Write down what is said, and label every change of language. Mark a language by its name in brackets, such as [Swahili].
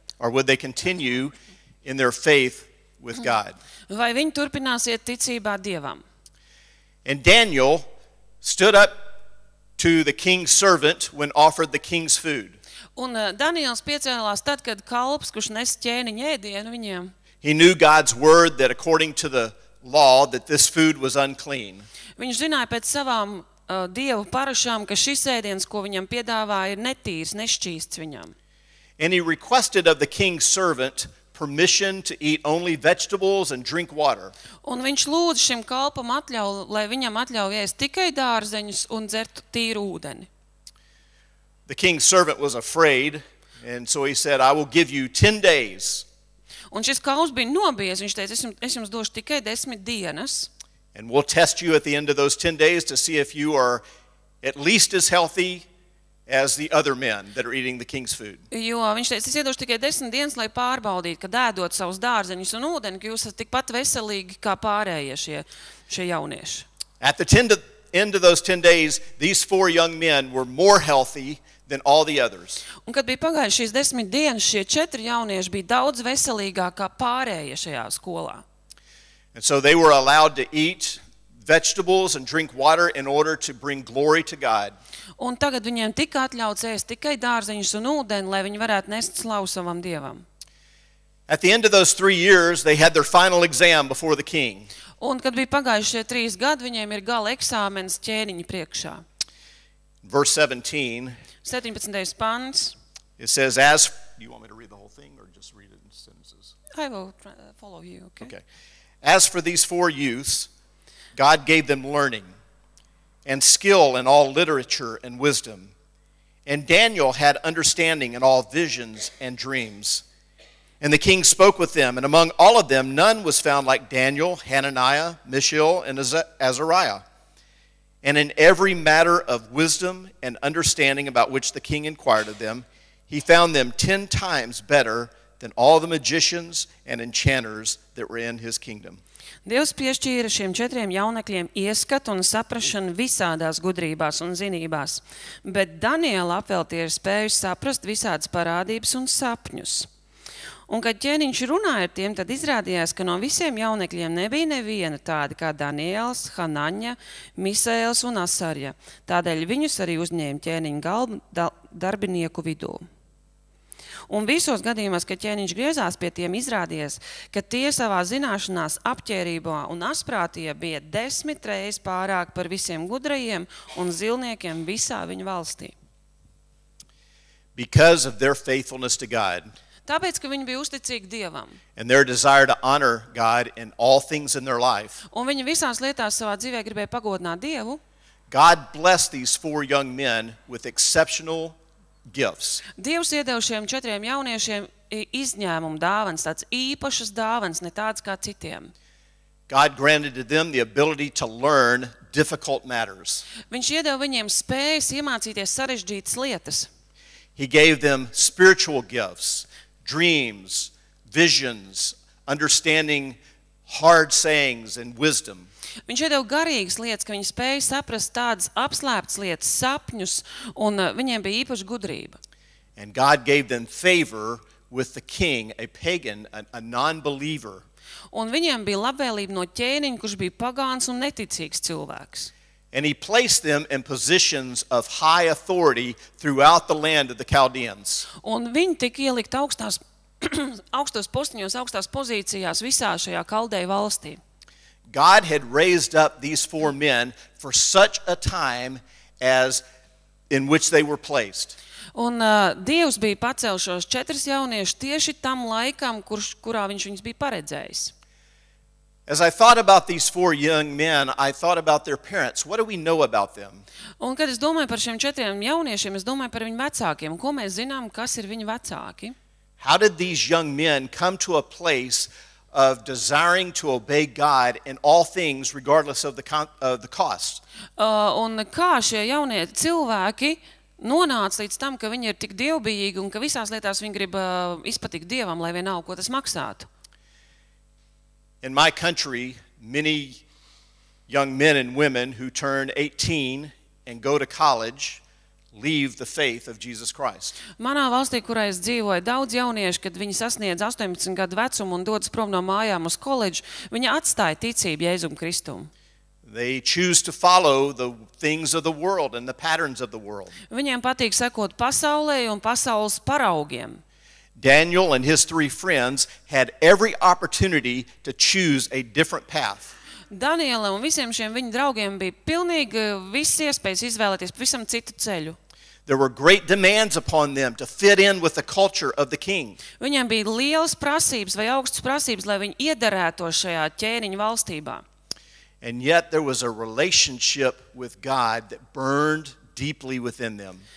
[English] Or would they continue in their faith with God? [Latvian] Vai viņi turpināsiet ticībā Dievam? [English] And Daniel stood up to the king's servant when offered the king's food. [Latvian] Un Daniels piecēlās tad, kad kalps, kurš nes ķēniņa ēdienu viņiem. [English] He knew God's word that according to the law that this food was unclean. [Latvian] Viņš zināja pēc savām Dievu parašām, ka šis ēdiens, ko viņam piedāvāja, ir netīrs, nešķīsts viņam. [English] And he requested of the king's servant permission to eat only vegetables and drink water. [Latvian] Un viņš lūdz šim kalpam atļau, lai viņam atļau ēst tikai dārzeņus un dzert tīru ūdeni. [English] The king's servant was afraid, and so he said, I will give you 10 days. [Latvian] Un šis kalps bija nobijies, viņš teica, es jums došu tikai 10 dienas. [English] And we'll test you at the end of those 10 days to see if you are at least as healthy as the other men that are eating the king's food. [Latvian] Jo, viņš teica, es iedošu tikai 10 dienas, lai pārbaudītu, kad ēdot savus dārzeņus un ūdeni, ka jūs esat tikpat veselīgi kā pārējie šie jaunieši. [English] At the end of those 10 days, these four young men were more healthy than all the others. [Latvian] Un kad bija pagājušas 10 dienas, šie 4 jaunieši bija daudz veselīgāki kā pārējie šajā skolā. [English] And so they were allowed to eat vegetables and drink water in order to bring glory to God. [Latvian] Un tagad viņiem tika atļauts ēst tikai dārzeņus un ūdeni, lai viņi varētu nest slavu savam Dievam. [English] At the end of those 3 years, they had their final exam before the king. [Latvian] Un kad bija pagājušie 3 gadi, viņiem ir gala eksāmens ķēniņa priekšā. [English] Verse 17. [Latvian] 17. Pants. [English] It says as you want me to read the whole thing or just read it in sentences. I will follow you, okay? Okay. As for these four youths, God gave them learning and skill in all literature and wisdom. And Daniel had understanding in all visions and dreams. And the king spoke with them, and among all of them, none was found like Daniel, Hananiah, Mishael, and Azariah. And in every matter of wisdom and understanding about which the king inquired of them, he found them 10 times better than all the magicians and enchanters that were in his kingdom. [Latvian] Dievs piešķīra šiem četriem jaunekļiem ieskatu un saprašanu visādās gudrībās un zinībās, bet Daniela apveltie ir spēju saprast visādas parādības un sapņus. Un kad ķēniņš runāja ar tiem, tad izrādījās, ka no visiem jaunekļiem nebija neviena tāda kā Daniels, Hananja, Misaels un Asarja. Tādēļ viņus arī uzņēma ķēniņa galvu darbinieku vidū. Un visos gadījumos, kad ķēniņš griezās pie tiem, izrādījās, ka tie savā zināšanās apķērībā un asprātie bija 10 reizes pārāk par visiem gudrajiem un zilniekiem visā viņu valstī. [English] Because of their faithfulness to God. [Latvian] Tāpēc, ka viņi bija uzticīgi Dievam. [English] And their desire to honor God in all things in their life. [Latvian] Un viņi visās lietās savā dzīvē gribēja pagodināt Dievu. [English] God blessed these four young men with exceptional gifts. [Latvian] Dievs iedeva šiem četriem jauniešiem izņēmumu dāvanas, tāds īpašas dāvanas, ne tāds kā citiem. [English] God granted to them the ability to learn difficult matters. [Latvian] Viņš iedeva viņiem spējas iemācīties sarežģītas lietas. [English] He gave them spiritual gifts, dreams, visions, understanding hard sayings and wisdom. [Latvian] Viņš iedeva garīgas lietas, ka viņi spēja saprast tādas apslēptas lietas, sapņus, un viņiem bija īpaša gudrība. [English] And God gave them favor with the king, a pagan, a non-believer. [Latvian] Un viņiem bija labvēlība no ķēniņa, kurš bija pagāns un neticīgs cilvēks. [English] And he placed them in positions of high authority throughout the land of the Chaldeans. [Latvian] Un viņi tika ielikt augstās augstos postiņos, augstās pozīcijās visā šajā Kaldēju valstī. [English] God had raised up these four men for such a time as in which they were placed. [Latvian] Un Dievs bija pacelšos četras jauniešus tieši tam laikam, kurā viņš viņus bija paredzējis. [English] As I thought about these four young men, I thought about their parents. What do we know about them? [Latvian] Un kad es domāju par šiem četriem jauniešiem, es domāju par viņu vecākiem. Ko mēs zinām, kas ir viņu vecāki? [English] How did these young men come to a place of desiring to obey God in all things regardless of the cost? [Latvian] Un kā šie jaunie cilvēki nonāca līdz tam, ka viņi ir tik dievbijīgi un ka visās lietās viņi grib izpatikt Dievam, lai vienalga, ko tas maksātu? [English] In my country, many young men and women who turn 18 and go to college leave the faith of Jesus Christ. [Latvian] Manā valstī, kurā es dzīvoju, daudz jauniešu, kad viņi sasniedz 18 gadu vecumu un dodas prom no mājām uz koledžu, viņi atstāja ticību Jēzum Kristum. [English] They choose to follow the things of the world and the patterns of the world. [Latvian] Viņiem patīk sekot pasaulē un pasaules paraugiem. [English] Daniel and his three friends had every opportunity to choose a different path. [Latvian] Daniela un visiem šiem viņu draugiem bija pilnīgi visi iespējas izvēlēties pavisam citu ceļu. [English] There were great demands upon them to fit in with the culture of the king. [Latvian] Viņiem bija lielas prasības vai augstas prasības, lai viņi iederētos šajā ķēniņa valstībā. [English] And yet there was a relationship with God that burned deeply within them.